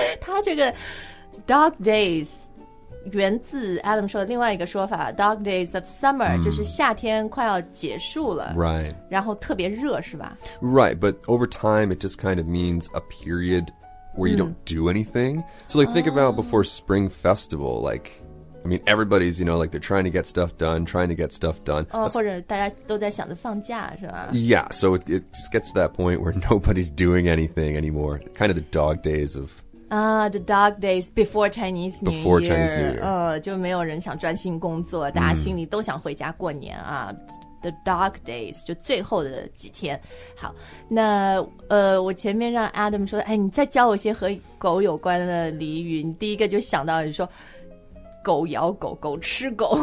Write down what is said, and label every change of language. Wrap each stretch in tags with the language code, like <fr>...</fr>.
<zh>它这个 dog days... 源自 Adam 说的另外一个说法</zh> <en>Dog days of summer、</en> <zh>mm. 就是夏天快要结束了</zh> <en>Right</en> <zh>然后特别热是吧</zh> <en>Right, but over time it just kind of means a period where you、mm. don't do anything So like think、oh. about before spring festival Like, I mean everybody's, you know, like they're trying to get stuff done、</en> <zh>或者大家都在想着放假是吧</zh> <en>Yeah, so it just gets to that point where nobody's doing anything anymore Kind of the dog days of The dog days before Chinese New Year. Before Chinese New Year.</en> <zh>就没有人想专心工作，大家心里都想回家过年啊。</zh> <en>Mm. The dog days,</en> <zh>就最后的几天。好，那我前面让 Adam 说，哎，你再教我一些和狗有关的俚语。你第一个就想到你说，狗咬狗，狗吃狗。</zh>